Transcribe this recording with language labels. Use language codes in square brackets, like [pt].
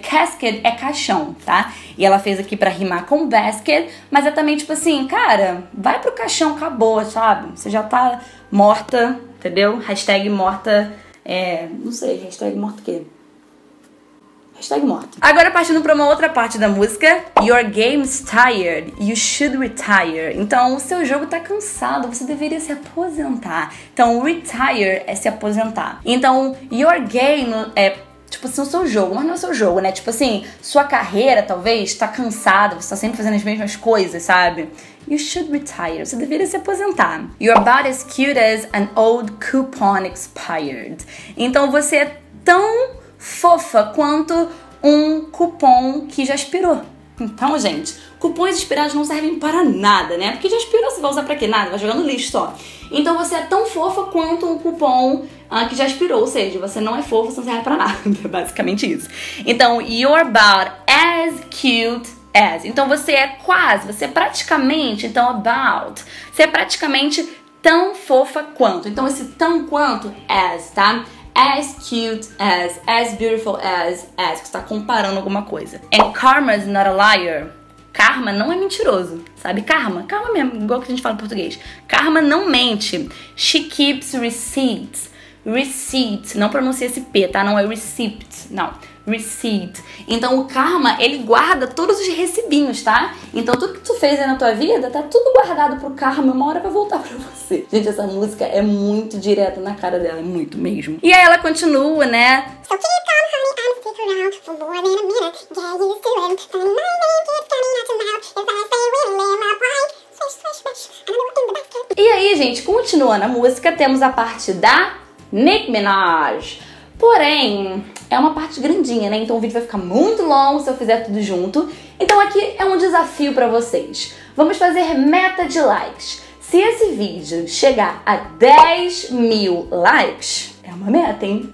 [pt] Casket é caixão, tá? E ela fez aqui pra rimar com basket, mas é também tipo assim, cara, vai pro caixão, acabou, sabe? Você já tá morta, entendeu? Hashtag morta, não sei, hashtag morta o quê? Hashtag morta. Agora partindo pra uma outra parte da música. [en] Your game's tired, you should retire. [pt] Então, o seu jogo tá cansado, você deveria se aposentar. Então, retire é se aposentar. Então, your game é... tipo assim, o seu jogo, mas não é o seu jogo, né? Tipo assim, sua carreira, talvez, tá cansada, você tá sempre fazendo as mesmas coisas, sabe? [en] You should retire, [pt] você deveria se aposentar. [en] You're about as cute as an old coupon expired. [pt] Então, você é tão fofa quanto um cupom que já expirou. Então, gente, cupons expirados não servem para nada, né? Porque já expirou, você vai usar pra quê? Nada, vai jogar no lixo só. Então, você é tão fofa quanto um cupom que já expirou, ou seja, você não é fofa, você não serve pra nada, basicamente isso. [en] Então, you're about as cute as. [pt] Então, você é quase, você é praticamente, então, about. Você é praticamente tão fofa quanto. Então, esse tão quanto, as, tá? [en] As cute as beautiful as, [pt] que você tá comparando alguma coisa. [en] And karma's not a liar. [pt] Karma não é mentiroso, sabe? Karma, karma mesmo, igual que a gente fala em português. Karma não mente. [en] She keeps receipts. [pt] Receipt, não pronuncia esse P, tá? Não é receipt, não. Receipt. Então o karma, ele guarda todos os recibinhos, tá? Então tudo que tu fez aí na tua vida, tá tudo guardado pro karma, uma hora vai voltar pra você. Gente, essa música é muito direta na cara dela, é muito mesmo. E aí ela continua, né? [en] So keep calm, honey, I'm stick around for more than a minute. Get used to it, funny my name keeps coming out your mouth. If I stay with it, am I right? Fresh, fresh, fresh, another one in the basket. [pt] E aí, gente, continuando a música, temos a parte da Nicki Minaj. Porém, é uma parte grandinha, né? Então o vídeo vai ficar muito longo se eu fizer tudo junto. Então aqui é um desafio pra vocês. Vamos fazer meta de likes. Se esse vídeo chegar a 10 mil likes, é uma meta, hein?